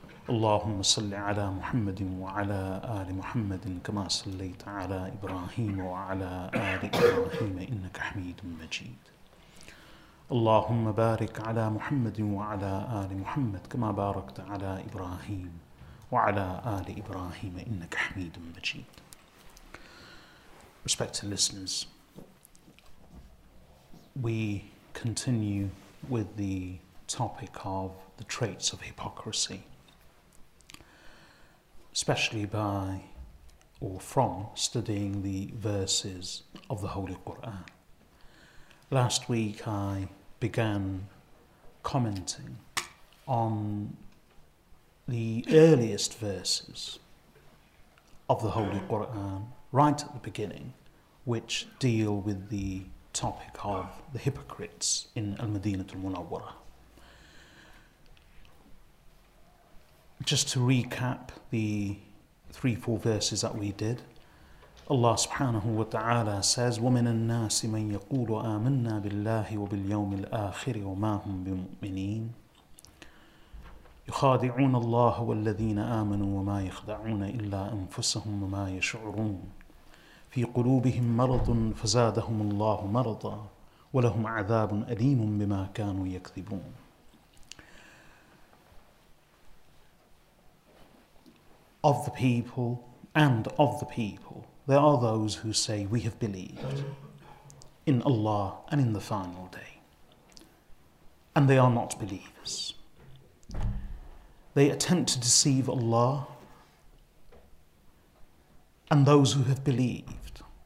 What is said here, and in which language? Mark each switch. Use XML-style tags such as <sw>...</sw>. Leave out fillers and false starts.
<ar>اللهم صل على محمد وعلى آل محمد كما صليت على إبراهيم وعلى آل إبراهيم إنك حميد مجيد. اللهم بارك على محمد وعلى آل محمد كما باركت على إبراهيم وعلى آل إبراهيم إنك حميد مجيد.</ar> <en>Respected listeners, we continue with the topic of the traits of hypocrisy, especially by or from studying the verses of the Holy Quran. Last week I began commenting on the earliest verses of the Holy Quran, right at the beginning, which deal with the topic of the hypocrites in Al-Madinah Al-Munawwara. Just to recap the 3-4 verses that we did, Allah subhanahu wa ta'ala says,</en> <ar>وَمِنَ النَّاسِ مَنْ يَقُولُ آمَنَّا بِاللَّهِ وَبِالْيَوْمِ الْآخِرِ وَمَا هُمْ بِمُؤْمِنِينَ يُخَادِعُونَ اللَّهَ وَالَّذِينَ آمَنُوا وَمَا يَخْدَعُونَ إِلَّا أَنفُسَهُمْ وَمَا يَشْعُرُونَ في قلوبهم مرض فزادهم الله مرضا ولهم عذاب أليم بما كانوا يكذبون.</ar> <en>Of the people and of the people, there are those who say, we have believed in Allah and in the final day. And they are not believers. They attempt to deceive Allah and those who have believed.</en>